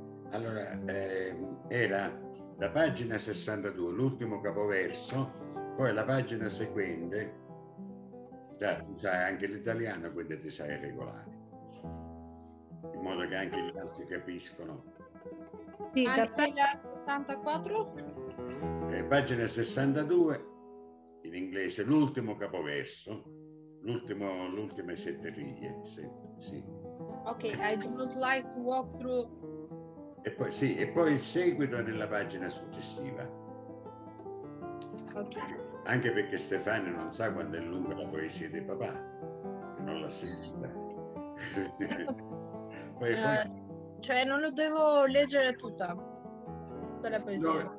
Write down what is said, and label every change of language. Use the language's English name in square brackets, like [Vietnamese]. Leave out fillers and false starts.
[Italian] Allora, era la pagina 62, l'ultimo capoverso, poi la pagina seguente, già, tu sai anche l'italiano, quindi ti sai regolare, in modo che anche gli altri capiscono. Sì, anche la 64? Pagina 62, in inglese, l'ultimo capoverso, l'ultime sette righe, sì. [English] Ok, I do not like to walk through... [Italian] E poi, sì, e poi il seguito nella pagina successiva. Okay. Anche perché Stefano non sa quando è lunga la poesia di papà, non l'ha sentita. cioè non lo devo leggere tutta quella poesia.